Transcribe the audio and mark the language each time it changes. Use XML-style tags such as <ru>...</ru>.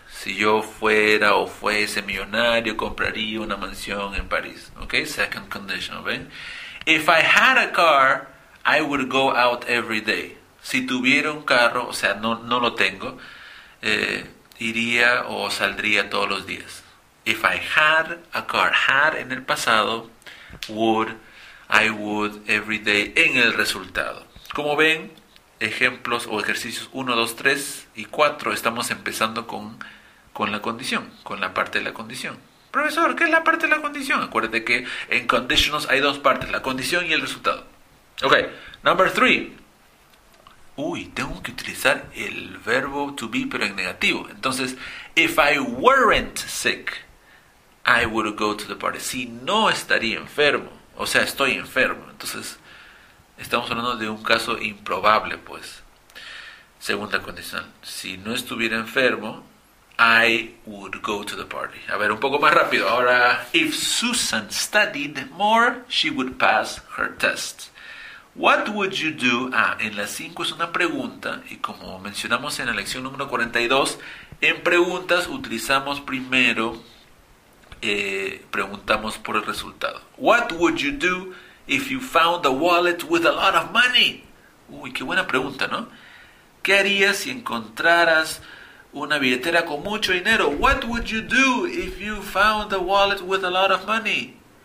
<es>Si yo fuera o fuese millonario, compraría una mansión en París.</es> <en>Okay, second conditional, ¿ven? If I had a car, I would go out every day.</en> <es>Si tuviera un carro, o sea, no lo tengo, iría o saldría todos los días.</es> <en>If I had a car, had</en> <es>en el pasado,</es> <en>would, I would, every day,</en> <es>en el resultado. Como ven, ejemplos o ejercicios 1, 2, 3 y 4, estamos empezando con la condición, con la parte de la condición. Profesor, ¿qué es la parte de la condición? Acuérdate que en conditionals hay dos partes, la condición y el resultado.</es> <en>Okay, number three.</en> <es>Uy, tengo que utilizar el verbo to be, pero en negativo.</es> <en>Entonces, if I weren't sick, I would go to the party.</en> <es>Si no estaría enfermo, o sea, estoy enfermo. Entonces, estamos hablando de un caso improbable, pues. Segunda condicional. Si no estuviera enfermo,</es> <en>I would go to the party.</en> <es>A ver, un poco más rápido.</es> <en>Ahora, if Susan studied more, she would pass her test. What would you do?</en> <es>Ah, en la 5 es una pregunta, y como mencionamos en la lección número 42, en preguntas utilizamos primero, preguntamos por el resultado.</es> <en>What would you do if you found a wallet with a lot of money?</en> <es>Uy, qué buena pregunta, ¿no? ¿Qué harías si encontraras una billetera con mucho dinero?</es> <en>What would you do if you found a wallet with a lot of money?</en>